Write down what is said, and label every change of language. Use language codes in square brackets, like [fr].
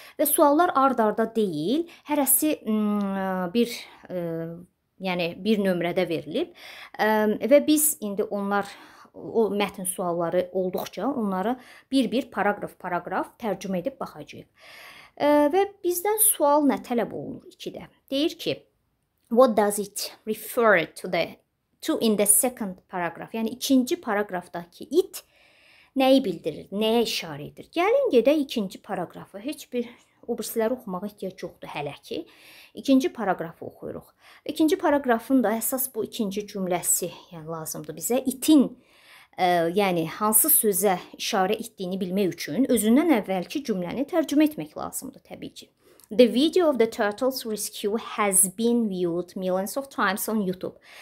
[az] Və suallar ard-arda deyil, hərəsi bir yəni, bir nömrədə verilib və biz indi onlar, o mətn sualları olduqca onları bir-bir paraqraf-paraqraf tərcümə edib baxacaq. Və bizdən sual nə tələb olunur ikidə? Deyir ki, [en] what does it refer to in the second paragraph? [az] Yəni, ikinci paraqrafdakı it nəyi bildirir, nəyə işarə edir? Gəlin gedə ikinci paraqrafı, heç bir o birisiləri oxumağa ehtiyac yoxdur hələ ki. İkinci paraqrafı oxuyuruq. İkinci paraqrafın da əsas bu ikinci cümləsi yəni, lazımdır bizə. İtin, yəni hansı sözə işarə etdiyini bilmək üçün özündən əvvəlki cümləni tərcümə etmək lazımdır təbii ki. [en] The video of the turtles rescue has been viewed millions of times on YouTube.